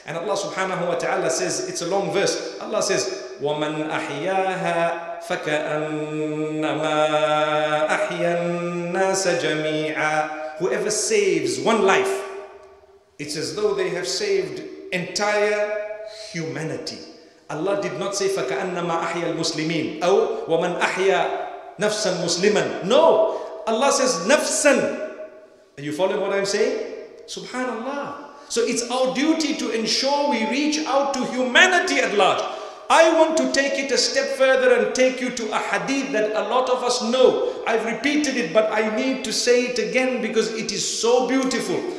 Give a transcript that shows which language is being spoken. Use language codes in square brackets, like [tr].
[en] And Allah subhanahu wa ta'ala says, it's a long verse, Allah says, وَمَنْ أَحْيَاهَا فَكَأَنَّمَا أَحْيَا النَّاسَ جَمِيعًا. Whoever saves one life, it's as though they have saved entire humanity. [ar] Allah did not say فَكَأَنَّمَا أَحْيَا الْمُسْلِمِينَ أو وَمَنْ أَحْيَا نَفْسًا مُسْلِمًا. [en] No, Allah says نَفْسًا. Are you following what I'm saying? Subhanallah. So it's our duty to ensure we reach out to humanity at large. I want to take it a step further and take you to a hadith that a lot of us know. I've repeated it, but I need to say it again because it is so beautiful.